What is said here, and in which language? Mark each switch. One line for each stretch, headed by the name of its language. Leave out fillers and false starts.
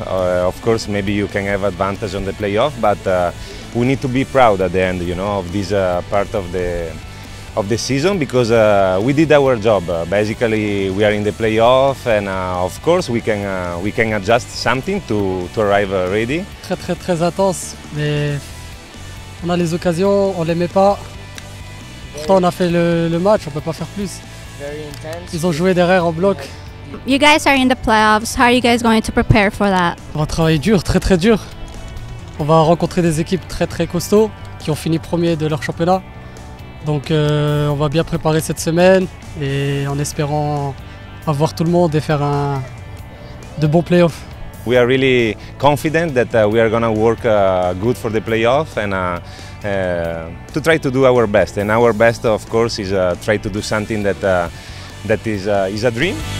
English: Of course, maybe you can have advantage on the playoff, but we need to be proud at the end, you know, of this part of the season, because we did our job. Basically, we are in the playoff, and of course, we can adjust something to arrive ready.
French: Très très très intense, mais on a les occasions, on les met pas. Pourtant, on a fait le match, on peut pas faire plus. Ils ont joué derrière en bloc.
English: You guys are in the playoffs. How are you guys going to prepare for that?
French: On va travailler dur, très très dur. On va rencontrer des équipes très très costauds qui ont fini premier de leur championnat. Donc on va bien préparer cette semaine et en espérant avoir tout le monde et faire de bons playoffs.
English: We are really confident that we are going to work good for the playoffs and to try to do our best. And our best, of course, is try to do something that is a dream.